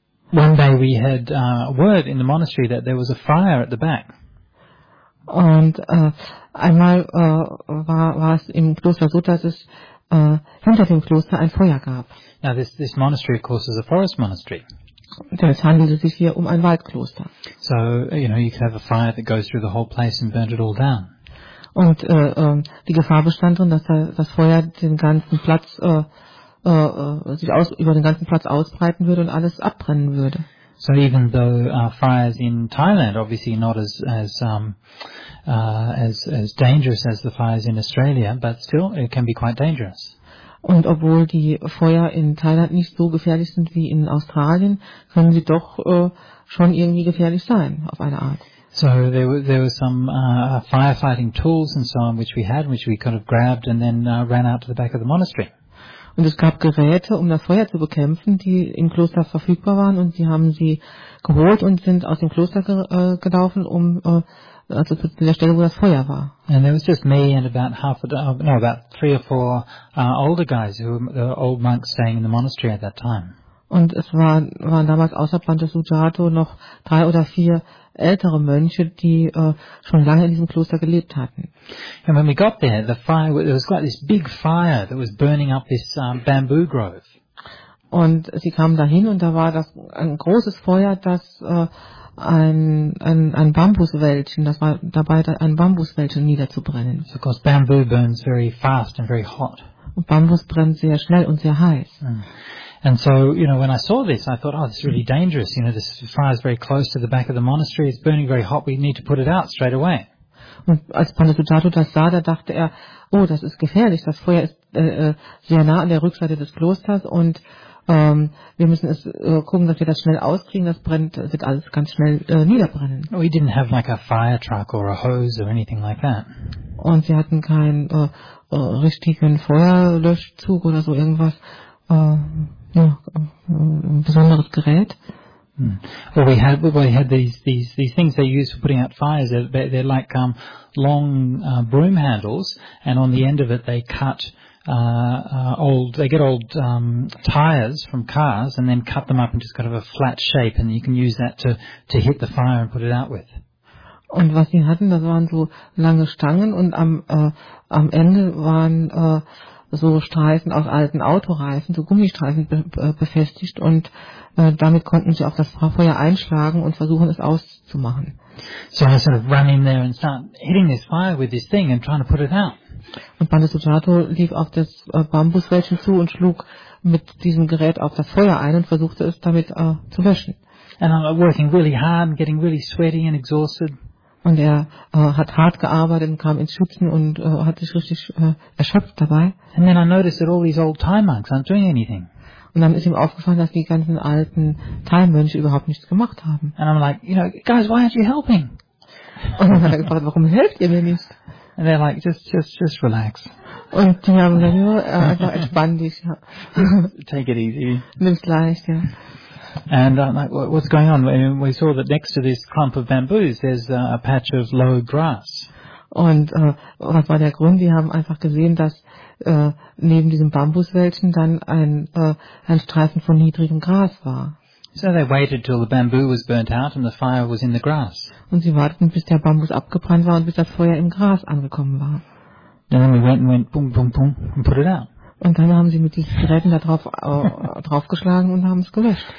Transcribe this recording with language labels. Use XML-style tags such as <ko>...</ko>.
<en>One day we had word in the monastery that there was a fire at the back.</en> <de>Und einmal war es im Kloster so, dass es hinter dem Kloster ein Feuer gab.</de> <en>Now this monastery, of course, is a forest monastery.</en> <de>Es handelte sich hier um ein Waldkloster.</de> <en>So, you know, you could have a fire that goes through the whole place and burned it all down.</en> <de>Und die Gefahr bestand darin, dass das Feuer den ganzen Platz über den ganzen Platz ausbreiten würde und alles abbrennen würde.</de> <en>So even though fires in Thailand obviously not as dangerous as the fires in Australia, but still it can be quite dangerous.</en> <de>Und obwohl die Feuer in Thailand nicht so gefährlich sind wie in Australien, können sie doch schon irgendwie gefährlich sein auf eine Art.</de> <en>So there were some firefighting tools and so on which we had, which we kind of grabbed and then ran out to the back of the monastery.</en> <de>Und es gab Geräte, um das Feuer zu bekämpfen, die im Kloster verfügbar waren, und sie haben sie geholt und sind aus dem Kloster gelaufen, um also zu der Stelle, wo das Feuer war.</de> <en>And there was just me and about three or four older guys who were old monks staying in the monastery at that time.</en> <de>Und es waren damals außer Pandasujato noch drei oder vier ältere Mönche, die schon lange in diesem Kloster gelebt hatten.</de> <en>And when we got there, the fire, there was quite this big fire that was burning up this bamboo grove.</en> <de>Und sie kamen dahin und da war das ein großes Feuer, das ein Bambuswäldchen, das war dabei, ein Bambuswäldchen niederzubrennen.</de> <en>So of course bamboo burns very fast and very hot.</en> <de>Und Bambus brennt sehr schnell und sehr heiß.</de> <en>And so, you know, when I saw this, I thought, oh, this is really dangerous. You know, this fire is very close to the back of the monastery. It's burning very hot. We need to put it out straight away.</en> <de>Und als Pandasutatu das sah, da dachte er, oh, das ist gefährlich. Das Feuer ist sehr nah an der Rückseite des Klosters. Und wir müssen es gucken, dass wir das schnell auskriegen. Das brennt, wird alles ganz schnell niederbrennen.</de> <en>We didn't have like a fire truck or a hose or anything like that.</en> <de>Und sie hatten keinen richtigen Feuerlöschzug oder so irgendwas. Ein besonderes Gerät.</de> <en>We had these things they use for putting out fires. They're like long broom handles, and on the end of it they cut old tires from cars and then cut them up into kind of a flat shape, and you can use that to hit the fire and put it out with.</en> <de>Und was sie hatten, das waren so lange Stangen, und am Ende waren so Streifen aus alten Autoreifen, so Gummistreifen befestigt, und damit konnten sie auch das Feuer einschlagen und versuchen, es auszumachen.</de> <en>So I sort of run in there and start hitting this fire with this thing and trying to put it out.</en> <de>Und Pandasujato lief auf das Bambuswäldchen zu und schlug mit diesem Gerät auf das Feuer ein und versuchte es damit zu löschen.</de> <en>And I'm working really hard and getting really sweaty and exhausted.</en> <de>und er hat hart gearbeitet und kam ins Schwitzen und hat sich richtig erschöpft dabei.</de> <en>And then I noticed that all these old Thai monks aren't doing anything.</en> <de>Und dann ist ihm aufgefallen, dass die ganzen alten Thai-Mönche überhaupt nichts gemacht haben.</de> <en>And I'm like, you know, guys, why aren't you helping?</en> <de>Und dann hat er gefragt, warum helft ihr mir nicht?</de> <en>And they're like, just relax.</en> <de>Und die haben gesagt, nur einfach entspann dich.</de> <en>Take it easy.</en> <de>Nimm's leicht, ja.</de> <en>And I'm like, what's going on? We saw that next to this clump of bamboos, there's a patch of low grass.</en> <de>Und was war der Grund? Wir haben einfach gesehen, dass neben diesem Bambuswäldchen dann ein Streifen von niedrigem Gras war.</de> <en>So they waited till the bamboo was burnt out and the fire was in the grass.</en> <de>Und sie warteten, bis der Bambus abgebrannt war und bis das Feuer im Gras angekommen war.</de> <en>And then we went and went boom, boom, boom and put it out.</en> <de>Und dann haben sie mit diesen Geräten da drauf draufgeschlagen und haben es gelöscht.</de>